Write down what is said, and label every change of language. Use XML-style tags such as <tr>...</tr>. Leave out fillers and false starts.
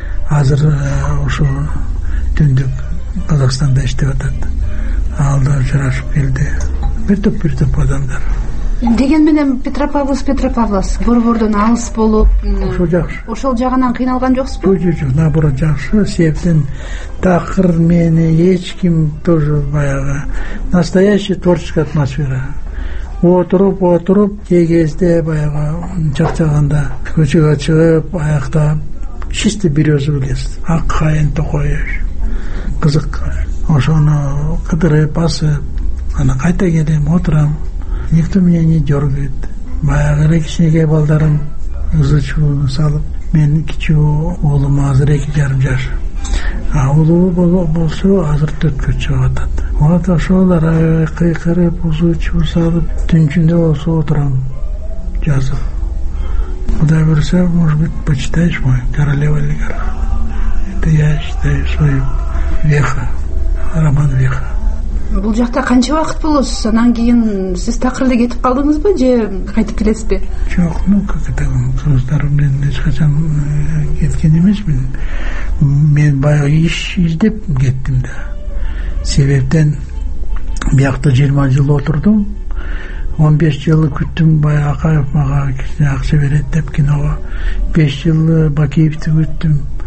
<ky>Азыр ушул түндүк Казакстанда иштеп атат. Алда жарашып келди. Бир топ адамдар. Деген менен Петропавловск борбордон алыс болуп, ошол жакшы. Ошол жагынан кыйналган жоксузбу? Жок,</ky> <ru>наоборот,</ru> <ky>жакшы. Себептен такыр мени эч ким тоже баягы</ky> <ru>настоящий творческий атмосфера.</ru> <ky>Отуруп, кээ кезде баягы чарчаганда көчөгө чыгып, аякта</ky> <ru>чистый берёза лист,</ru> <ky>ак кайын токоюш. Кызык. Ошону кыдырып асып, аны кайта келем, отурам.</ky> <ru>Никто меня не дергает.</ru> <ky>Баягы эле кичинекей балдарым ызычуун салып, мен кичүү уулум азыр 2.5 жаш. А улуу болсо азыр 4 чыгып атат. Вот ошолор кыйкырып, ызычуу салып, түнчүндө болсо отурам жазып. Кудай буйруса,</ky> <ru>может быть, почитаешь мой Королева олигарха. Это я считаю свою веха, роман веха.</ru> <ky>Бул жакта канча убакыт болосуз? Анан кийин сиз такырда кетип калдыңызбы же кайтып келесизби? Жок,</ky> <ru>ну как это,</ru> <ky>кыргыздарым менен эч качан кеткен эмесмин. Мен баягы иш издеп кеттим да. Себептен биякта 20 жыл отурдум, 15 жыл күттүм, баягы Акаев мага акча берет деп кинога, 5 жыл Бакиевди күттүм.</ky>